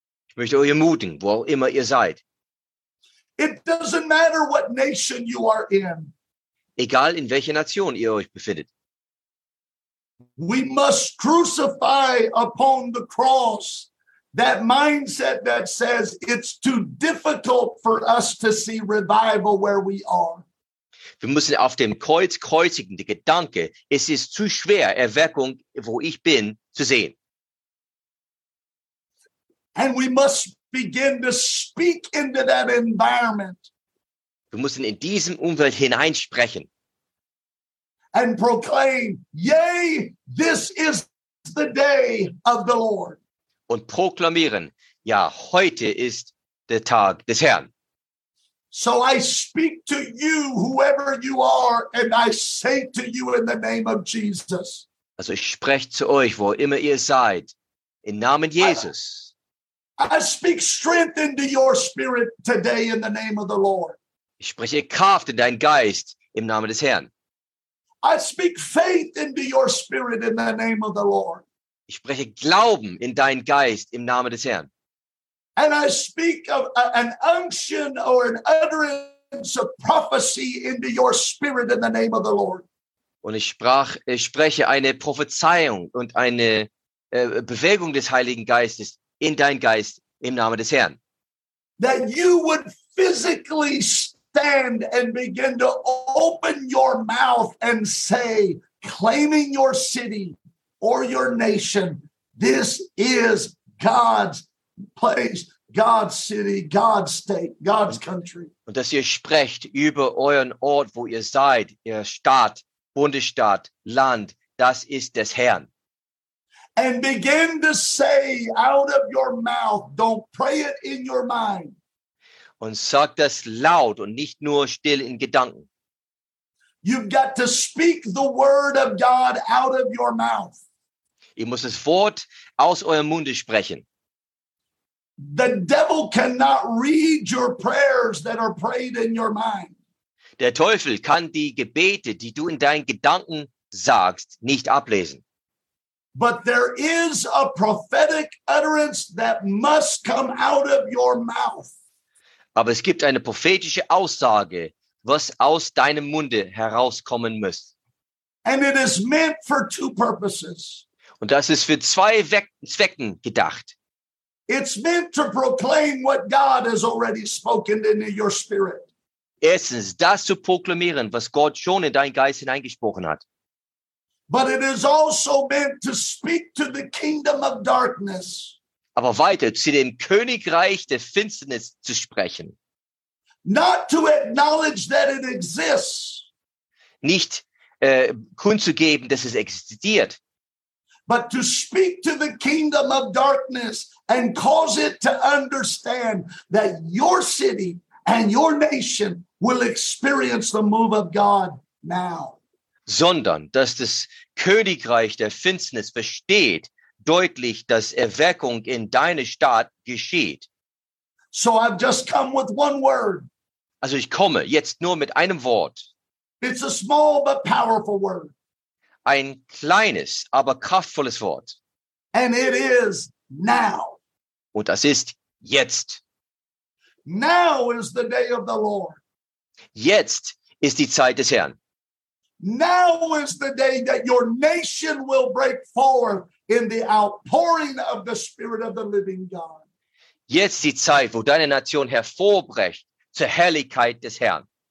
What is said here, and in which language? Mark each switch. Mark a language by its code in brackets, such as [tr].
[de] Ich möchte euch ermutigen, wo auch immer ihr seid. [en] It doesn't matter what nation you are in. [de] Egal in welcher Nation ihr euch befindet. [en] We must crucify upon the cross that mindset that says it's too difficult for us to see revival where we are. [de] Wir müssen auf dem Kreuz kreuzigen, der Gedanke, es ist zu schwer, Erweckung, wo ich bin, zu sehen. [en] And we must begin to speak into that environment. [de] Du musst in diesem Umfeld hineinsprechen. [en] And proclaim, yay, this is the day of the Lord. [de] Und proklamieren, ja, heute ist der Tag des Herrn. [en] So I speak to you, whoever you are, and I say to you in the name of Jesus. [de] Also ich spreche zu euch, wo immer ihr seid, im Namen Jesus. [en] I speak strength into your spirit today in the name of the Lord. [de] Ich spreche Kraft in deinen Geist im Namen des Herrn. [en] I speak faith into your spirit in the name of the Lord. [de] Ich spreche Glauben in deinen Geist im Namen des Herrn. [en] And I speak of an unction or an utterance of prophecy into your spirit in the name of the Lord. [de] Und ich spreche eine Prophezeiung und eine Bewegung des Heiligen Geistes in deinen Geist im Namen des Herrn. [en] That you would physically stand and begin to open your mouth and say, claiming your city or your nation, this is God's place, God's city, God's state, God's country. [de] Und dass ihr sprecht über euren Ort, wo ihr seid, ihr Staat, Bundesstaat, Land, das ist des Herrn. [en] And begin to say out of your mouth, don't pray it in your mind. [de] Und sag das laut und nicht nur still in Gedanken. [en] You've got to speak the word of God out of your mouth. [de] Ihr müsst das Wort aus eurem Munde sprechen. [en] The devil cannot read your prayers that are prayed in your mind. [de] Der Teufel kann die Gebete, die du in deinen Gedanken sagst, nicht ablesen. [en] But there is a prophetic utterance that must come out of your mouth. [de] Aber es gibt eine prophetische Aussage, was aus deinem Munde herauskommen muss. [en] And it is meant for two purposes. [de] Und das ist für zwei Zwecken gedacht. [en] It's meant to proclaim what God has already spoken into your spirit. [de] Erstens, das zu proklamieren, was Gott schon in deinen Geist hineingesprochen hat. [en] But it is also meant to speak to the kingdom of darkness. [de] Aber weiter zu dem Königreich der Finsternis zu sprechen. [en] Not to acknowledge that it exists. [de] Nicht kundzugeben, dass es existiert. [en] But to speak to the kingdom of darkness and cause it to understand that your city and your nation will experience the move of God now. [de] Sondern, dass das Königreich der Finsternis versteht, deutlich, dass Erweckung in deiner Stadt geschieht. [en] So I've just come with one word. [de] Also ich komme jetzt nur mit einem Wort. [en] It's a small but powerful word. [de] Ein kleines, aber kraftvolles Wort. [en] And it is now. [de] Und das ist jetzt. [en] Now is the day of the Lord. [de] Jetzt ist die Zeit des Herrn. [en] Now is the day that your nation will break forth in the outpouring of the Spirit of the living God. [de] Jetzt die Zeit, wo deine Nation hervorbricht zur Herrlichkeit des Herrn.